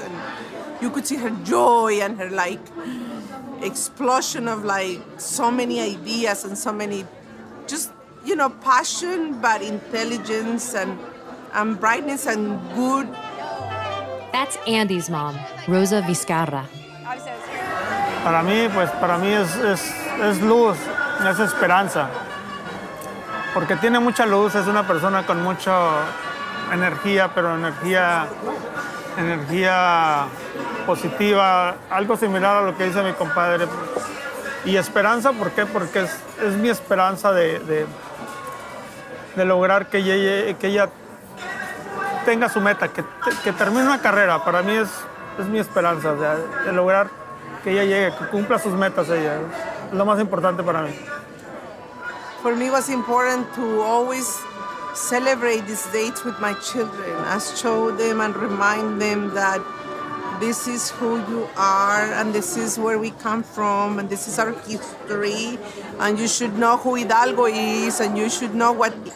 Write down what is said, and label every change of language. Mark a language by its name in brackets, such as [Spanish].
[English] And you could see her joy and her like explosion of like so many ideas and so many just, you know, passion, but intelligence and brightness and good. That's Andy's mom, Rosa Vizcarra. [Spanish] Para mí, pues para mí es luz, es esperanza. Porque tiene mucha luz, es una persona con mucha energía, pero energía positiva, algo similar a lo que dice mi compadre. Y esperanza, ¿por qué? Porque es mi esperanza de lograr que ella tenga su meta, que termine una carrera. Para mí es mi esperanza, o sea, de lograr que ella llegue, que cumpla sus metas ella. Es lo más importante para mí. [English] For me, it was important to always celebrate these dates with my children and show them and remind them that this is who you are and this is where we come from and this is our history and you should know who Hidalgo is and you should know what